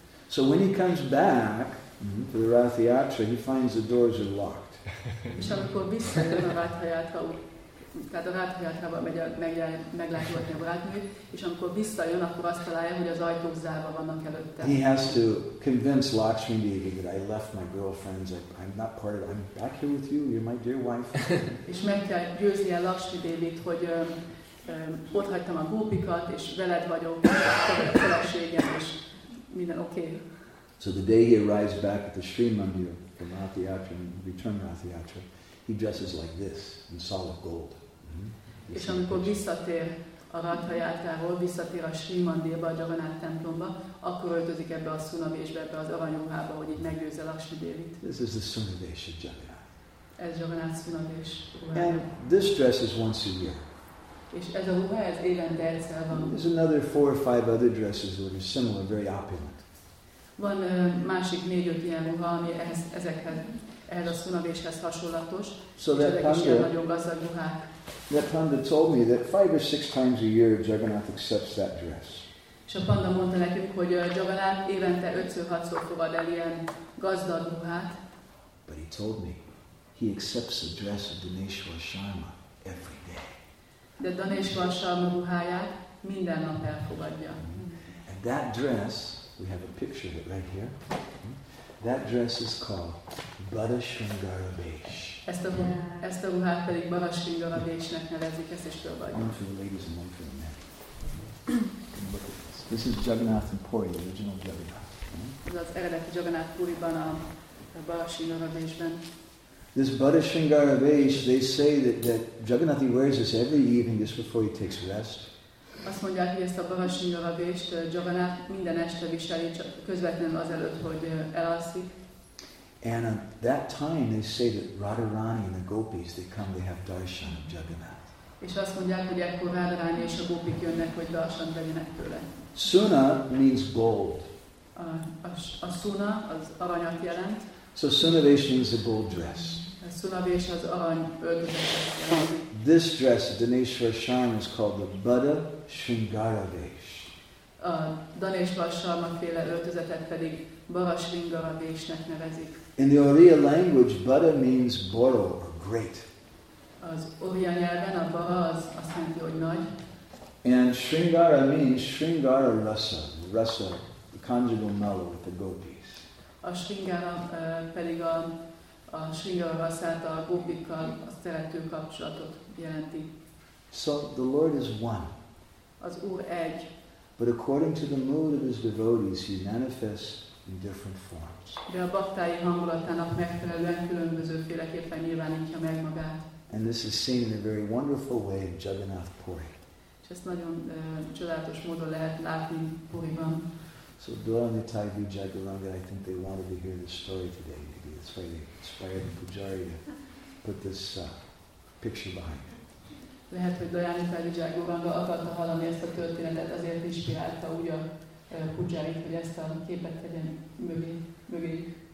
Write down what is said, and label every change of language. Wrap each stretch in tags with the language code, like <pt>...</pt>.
<en>So when he comes back to the Ratha Yatra, he finds the doors are locked.</en> <hu>És amikor visszajön a Ratha Yatra út. Tehát a Ráthajátrába meglátogatni a barátnőt, és amikor visszajön, akkor azt találja, hogy az ajtók zárva vannak előtte.</hu> <en>He has to convince Lakshmi Devi that I left my girlfriends, I'm not part of it, I'm back here with you, you're my dear wife.</en> <hu>És meg kell győzni a Lakshmi Devit, hogy ott hagytam a gópikat, és veled vagyok, a feleségem, és minden oké.</hu> <en>So the day he arrives back at the Sri Mandir, from Ráthajátra, return Ráthajátra, he dresses like this, in solid gold.</en> <hu>És amikor visszatér a Radha jártáról, visszatér a Srimandir Bhajavanath templomba, akkor öltözik ebbe a szunavésbe, ebbe az aranyruhába, hogy így megőzze Lakshmi Devit.</hu> <en>This is the sunavesh of Jagannath.</en> <hu>Ez Jagannath szunavés.</hu> <en>And this dress is once a year.</en> <hu>És ez a ruha, ez évente egyszer van.</hu> <en>There's another four or five other dresses that are similar, very opulent.</en> <hu>Van másik négy-öt ilyen ruha, ami ehhez a szunavéshez hasonlatos.</hu> <en>So</en> <hu>és ezek is ilyen nagyon gazdag ruhák.</hu> <en>That panda told me that five or six times a year Jagannath accepts that dress.</en> <hu>És a panda mondta nekünk, hogy Jagannath évente 5-6-szor fogad el ilyen gazdag ruhát.</hu> <en>But he told me, he accepts the dress of Dhaneshwar Sharma every day.</en> <hu>De Dhaneshwar Sharma ruháját minden nap elfogadja.</hu> <en>And that dress, we have a picture of it right here. That dress is called Bada Shringara Vesh.</en> <hu>Ezt a ruhát pedig Bada Shringara Veshnek nevezik, ezt is fölvagyunk.</hu> <en>One for the ladies and one for the men. This is Jagannath in Puri, the original Jagannath.</en> <hu>Ez az eredeti Jagannath Puriban, a Bada Shringara Veshben.</hu> <en>This Bada Shringara Vesh, they say that Jagannath wears this every evening just before he takes rest.</en> <hu>Azt mondják, hogy ezt a Bhavasingara Vesht Jagannath minden este viseli, közvetlenül azelőtt, hogy elalszik.</hu> <en>And at that time they say that Radharani and the gopis, they come, they have darshan of Jagannath.</en> <hu>És azt mondják, hogy ekkor Radharani és a gopik jönnek, hogy darshan vegyenek tőle.</hu> <en>Suna means gold.</en> <hu>A suna az aranyat jelent.</hu> <en>So suna vesh means a gold dress.</en> <hu>Sunavesh az arany öltözetet jelent.</hu> <en>This dress, Dhaneshwar Sharma, is called the Bada Shringara Vesh.</en> <hu>Dhaneshwar Sharma féle öltözetet pedig Bada Shringara Veshnek nevezik.</hu> <en>In the Oriya language, Bada means boro, or great.</en> <hu>Az Oriya nyelven a Bada az azt jelenti, hogy nagy.</hu> <en>And Shringara means Shringara Rasa, Rasa, the conjugal mellow with the gopis.</en> <hu>A Shringara pedig a Shringara Rasát a gopikkal, a szerető kapcsolatot.</hu> <en>So the Lord is one.</en> <hu>Az Úr egy.</hu> <en>But according to the mood of his devotees, he manifests in different forms.</en> <hu>De a baktái hangulatának megfelelően különbözőféleképpen nyilvánítja meg magát.</hu> <en>And this is seen in a very wonderful way in Jagannath Puri.</en> <hu>És ezt nagyon csodálatos módon lehet látni Puriban.</hu> <en>So Dora Nitai Vijayagaranga, I think they wanted to hear this story today. Maybe that's why they inspired the pujari to put this picture behind it.</en> <hu>Lehet, hogy Dajani Felvizsák Goranga akarta hallani ezt a történetet, azért inspirálta úgy a Pujjarit, hogy ezt a képet tegyen mögé.</hu>